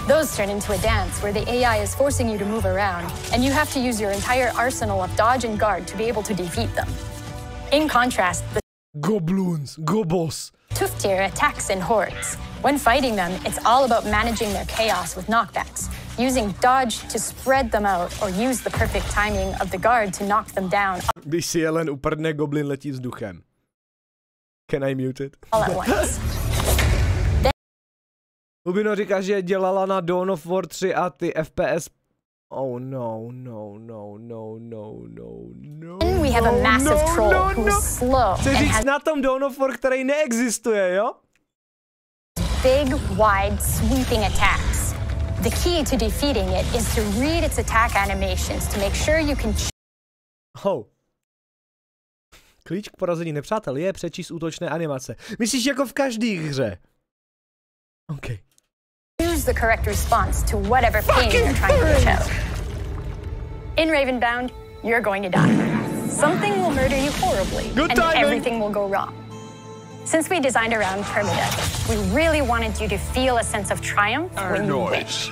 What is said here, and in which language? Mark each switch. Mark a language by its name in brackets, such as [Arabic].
[English] Those turn into a dance where the AI is forcing you to move around and you have to use your entire arsenal of dodge and guard to be able to defeat them. In contrast, the goblins, gobos, Tuftir attacks in hordes. When fighting them, it's all about managing their chaos with knockbacks. Using dodge to spread them out or use the perfect timing of the guard to knock them down. [Czech] Když si jelen uprdne, goblin letí vzduchem. [English] Can I mute it? All at once. [Czech] Ubino říká, že dělala na Dawn of War 3 a ty FPS. [English] Oh no, no, no, no, no, no, no, no, we have a massive troll who's slow. [Czech] Chci říct na tom Dawn of War, který neexistuje, jo? [English] Big, wide, sweeping attacks. The key to defeating it is to read its attack animations to make sure you can. [Czech] Klíč k porazení nepřátel je přečíst útočné animace. Myslíš jako v každý hře? Okay. [English] Use the correct response to whatever pain you're trying to reach out. In Ravenbound, you're going to die. Something will murder you horribly, good and timing. Everything will go wrong. Since we designed around permadeath, we really wanted you to feel a sense of triumph when you win.